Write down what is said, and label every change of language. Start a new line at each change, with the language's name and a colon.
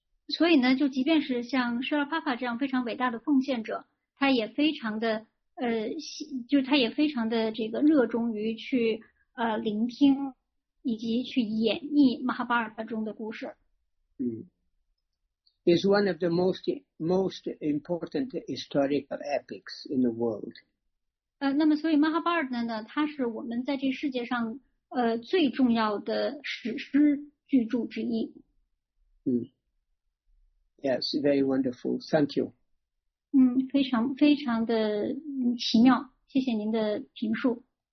Chinese: 所以呢，就即便是像舍尔帕帕这样非常伟大的奉献者，他也非常的就他也非常的这个热衷于去聆听以及去演绎马哈巴尔巴中的故事。
English: Is one of the most important historical epics in the world.
Chinese: 那么所以马哈巴尔巴呢，它是我们在这世界上最重要的史诗巨著之一。
English: Yes, very wonderful. Thank you.
Chinese: 非常非常的奇妙，谢谢您的评述。